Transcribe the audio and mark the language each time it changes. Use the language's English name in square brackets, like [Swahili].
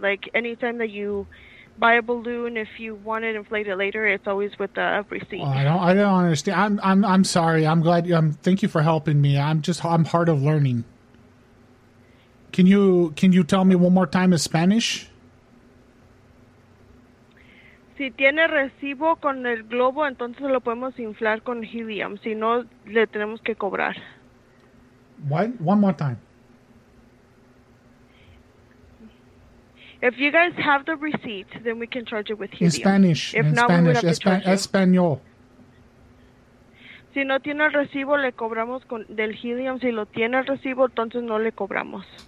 [English] Like anytime that you buy a balloon, if you want it inflated later, it's always with the receipt. Well, I don't understand. I'm sorry. I'm glad. Thank you for helping me. I'm hard of learning. Can you tell me one more time in Spanish? [Spanish] Si tiene recibo con el globo, entonces lo podemos inflar con helium. Si no, le tenemos que cobrar. [English] What? One more time. If you guys have the receipt, then we can charge it with helium. [Spanish] Español. Si no tiene recibo, le cobramos del helium. Si lo tiene el recibo, entonces no le cobramos.